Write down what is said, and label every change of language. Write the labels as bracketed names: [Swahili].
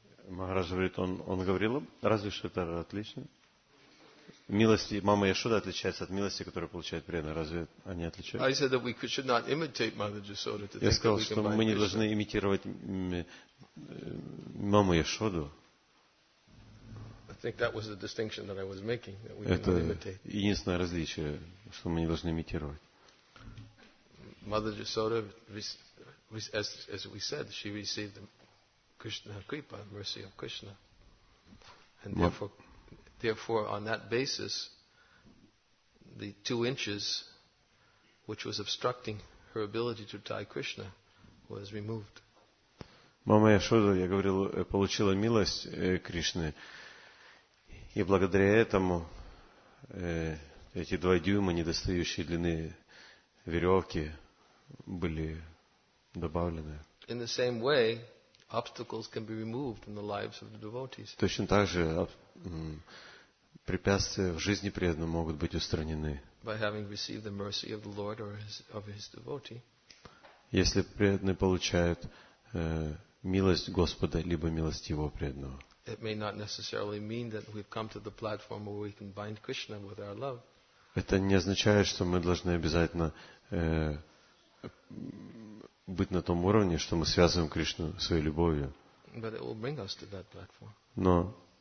[Russian] Махарадж говорит, он говорил, разве что это отлично? Милости мамы Яшоды отличается от милости, которую получает преданный. Разве они отличаются? [English] I said that we should not imitate Mother Yashoda. [Russian] Я сказал, что мы не должны имитировать маму Яшоду. [English] I think that was the distinction that I was making, that we cannot imitate. [Russian] Это единственное различие, что мы не должны имитировать. [English] Mother Yashoda, as we said, she received the Krishna Kripa, mercy of Krishna, and therefore on that basis, the 2 inches which was obstructing her ability to tie Krishna was removed. [Russian] Мама Яшода, я говорил, получила милость Кришны, и благодаря этому эти 2 дюйма недостающие длины веревки были добавлены. [English] In the same way, obstacles can be removed in the lives of the devotees. [Russian] Точно так же препятствия в жизни преданного могут быть устранены. [English] By having received the mercy of the Lord or of his devotee. [Russian] Если преданный получает милость Господа либо милость его преданного. [English] It may not necessarily mean that we've come to the platform where we can bind Krishna with our love. [Russian] Это не означает, что мы должны обязательно быть на том уровне, что мы связываем Кришну своей любовью. [English] But it will bring us to that platform.